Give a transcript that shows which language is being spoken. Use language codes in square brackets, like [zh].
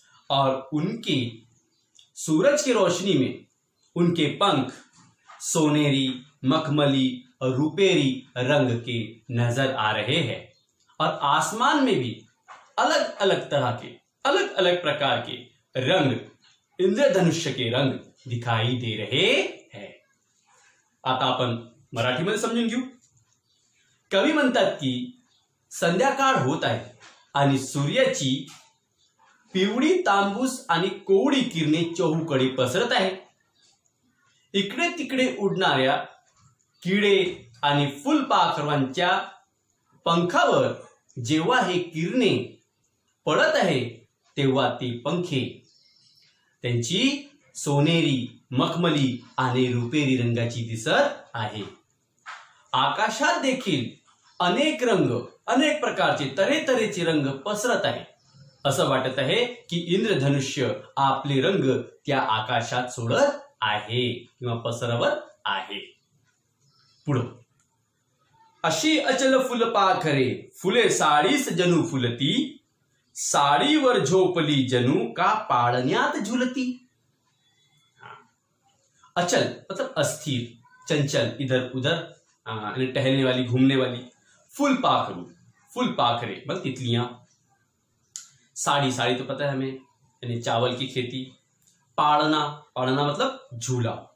[hi] और उनकी सूरज की रोशनी में उनके पंख सोनेरी मखमली और रुपेरी रंग के नजर आ रहे हैं और आसमान में भी अलग अलग तरह के अलग अलग प्रकार के रंग इंद्रधनुष्य के रंग दिखाई दे रहे हैं। [mr] आता अपन मराठी में समझून घेऊ। कवी म्हणतात की संध्याकाळ होत आहे आणि सूर्याची पिवळी तांबूस आणि कोवळी किरणे चहूकडे पसरत आहे। इकडे तिकडे उडणाऱ्या किडे आणि फुलपाखरांच्या पंखावर जेव्हा हे किरणे पडत आहे तेव्हा ती पंखे त्यांची सोनेरी मखमली आणि रुपेरी रंगाची दिसत आहे। आकाशात देखील अनेक रंग अनेक प्रकारचे तरे तरेचे रंग पसरत आहे। असं वाटत आहे की इंद्रधनुष्य आपले रंग त्या आकाशात सोडत आहे किंवा पसरवत आहे। पुढे अशी अचल फुल पाखरे फुले साडीस जनू फुलती साडीवर झोपली जनू का पाळण्यात झुलती। [hi] अचल मतलब अस्थिर चंचल इधर उधर टहलने वाली घूमने वाली, फुल पाखरू फुल पाखरे मतलब तितलियां, साड़ी साड़ी तो पता है हमें यानी चावल की खेती, पाड़ना पाड़ना मतलब झूला।